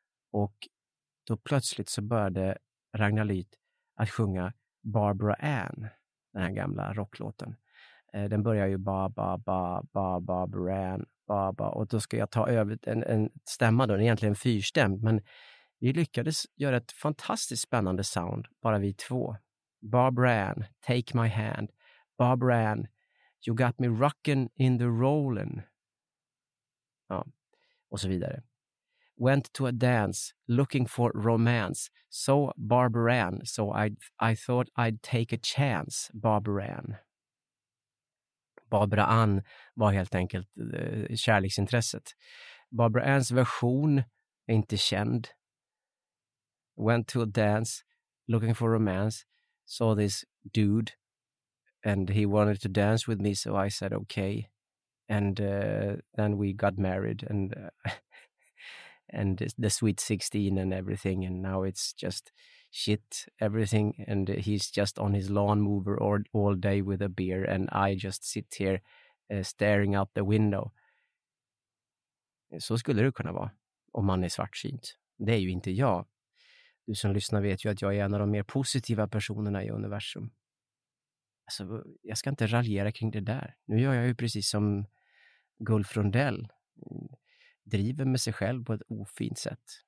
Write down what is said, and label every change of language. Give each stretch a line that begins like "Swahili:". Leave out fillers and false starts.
Swedish: Och då plötsligt så började Ragnar Lyth att sjunga Barbara Ann, den här gamla rocklåten. Den börjar ju ba ba ba ba ba ba ba ba, och då ska jag ta över en stämma då, egentligen en fyrstämd, men vi lyckades göra ett fantastiskt spännande sound, bara vi två.
English: Barbara Ann, take my hand. Barbara Ann, you got me rockin' in the rollin'.
Swedish: Ja, och så vidare.
English: Went to a dance, looking for romance. So Barbara Ann, so I thought I'd take a chance, Barbara Ann.
Swedish: Barbara Ann var helt enkelt kärleksintresset. Barbara Anns version är inte känd.
English: Went to a dance, looking for romance. Saw this dude and he wanted to dance with me, so I said okay. And then we got married and the sweet 16 and everything, and now it's just shit everything, and he's just on his lawnmower all day with a beer, and I just sit here staring out the window.
Swedish: Så skulle det kunna vara om man är svartsynt. Det är ju inte jag. Du som lyssnar vet ju att jag är en av de mer positiva personerna i universum. Alltså, jag ska inte raljera kring det där. Nu gör jag ju precis som Gulf Rondell, driver med sig själv på ett ofint sätt.